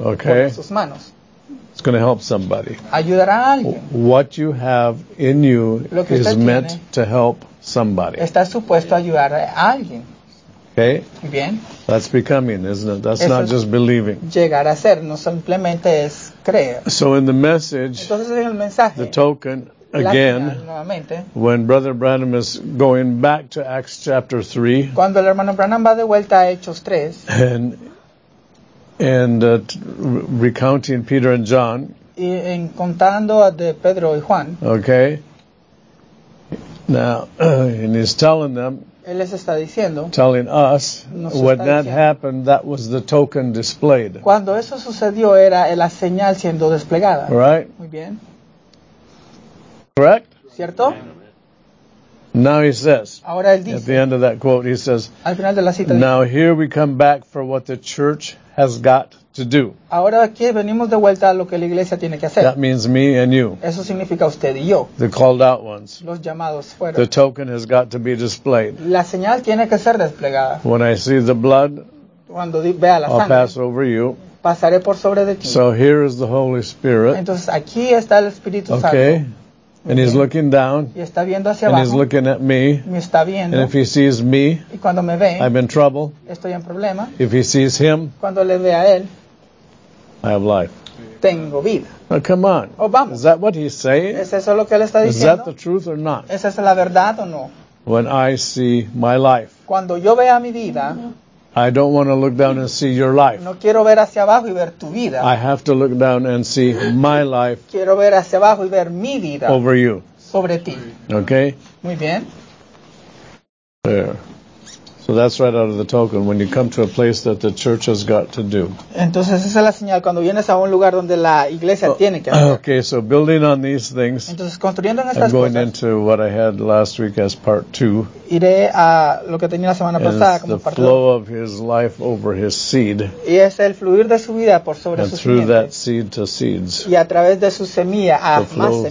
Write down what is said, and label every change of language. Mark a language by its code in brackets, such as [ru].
[es] okay pone sus manos. [en] It's going to help somebody. [es] Ayudará a alguien. [en] What you have in you is meant to help somebody. [es] Está supuesto a ayudar a alguien. [en] Okay. [es] Bien. [en] That's becoming, isn't it? That's [es] eso [en] not just believing. [es] Llegar a ser, no simplemente es creer. [en] So in the message, [es] entonces en el mensaje, [en] the token, again, [es] nuevamente, [en] when Brother Branham is going back to Acts chapter 3, [es] cuando el hermano Branham va de vuelta a Hechos 3, [en] and recounting Peter and John, [es] y en contando a de Pedro y Juan, [en] okay, now, and he's telling them, [es] él les está diciendo, [en] telling us, when [es] diciendo, [en] that happened, that was the token displayed. [es] Cuando eso sucedió, era la señal siendo desplegada. [en] Right? [es] Muy bien. [en] Correct? [es] ¿Cierto? [en] Now he says, [es] ahora él dice, [en] at the end of that quote, he says, [es] al final de la cita, [en] now [es] dice, [en] here we come back for what the church has got to do. [es] Ahora aquí venimos de vuelta a lo que la iglesia tiene que hacer. [en] That means me and you. [es] Eso significa usted y yo. [en] The called out ones. [es] Los llamados fueron. [en] The token has got to be displayed. [es] La señal tiene que ser desplegada. [en] When I see the blood, [es] cuando vea la [en] I'll [es] sangre, [en] pass over you. [es] Pasaré por sobre de ti. [en] So here is the Holy Spirit. [es] Entonces aquí está el Espíritu Santo. [en] Okay. And he's looking down. [es] Y está viendo hacia [en] and [es] abajo. [en] He's looking at me. [es] Me está viendo. [en] And if he sees me, [es] y cuando me ve, [en] I'm in trouble. [es] Estoy en problema. [en] If he sees him, [es] cuando le ve a él, [en] I have life. [es] Tengo vida. [en] Now come on. [es] Oh, vamos. [en] Is that what he's saying? [es] ¿Es eso lo que él está diciendo? [en] Is that the truth or not? [es] ¿Es esa la verdad o no? [en] When I see my life, [es] cuando yo vea mi vida, [en] I don't want to look down and see your life. [es] No quiero ver hacia abajo y ver tu vida. [en] I have to look down and see my life. [es] Quiero ver hacia abajo y ver mi vida. [en] Over you. [es] Sobre ti. [en] Okay. [es] Muy bien. [en] There. So that's right out of the token. When you come to a place that the church has got to do. [es] Entonces esa es la señal cuando vienes a un lugar donde la iglesia tiene que hacer. [en] Okay. So building on these things. [es] Entonces construyendo en estas [en] I'm going into what I had last week as part two. [es] Iré a lo que tenía la semana pasada como parte. [en] The flow of his life over his seed. [es] Y es el fluir de su vida por sobre sus. [en] And through that seed to seeds. [es] Y a través de su semilla a más semillas.